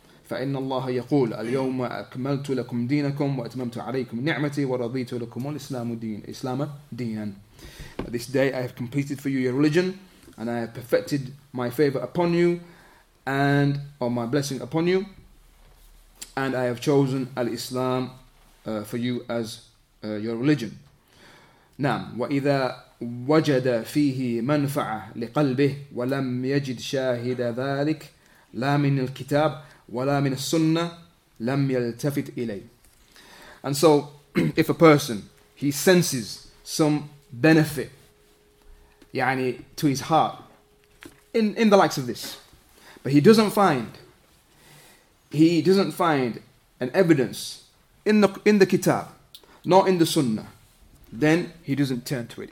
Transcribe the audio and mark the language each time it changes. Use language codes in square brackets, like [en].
[ar] فَإِنَّ اللَّهَ يَقُولُ الْيَوْمَ أَكْمَلْتُ لَكُمْ دِينَكُمْ وَأَتْمَمْتُ عَلَيْكُمْ نِعْمَتِي وَرَضِيتُ لَكُمُ الْإِسْلَامُ دِينًا. [en] This day I have completed for you your religion, and I have perfected my favor upon you, and or my blessing upon you, and I have chosen al-Islam for you as your religion. [ar] نعم. وَإِذَا وجد فيه منفعة لقلبه ولم يجد شاهد ذلك لا من الكتاب ولا من السنة لم يلتفت إليه. [en] And so, if a person he senses some benefit, to his heart, in the likes of this, but he doesn't find an evidence in the kitab, nor in the sunnah, then he doesn't turn to it.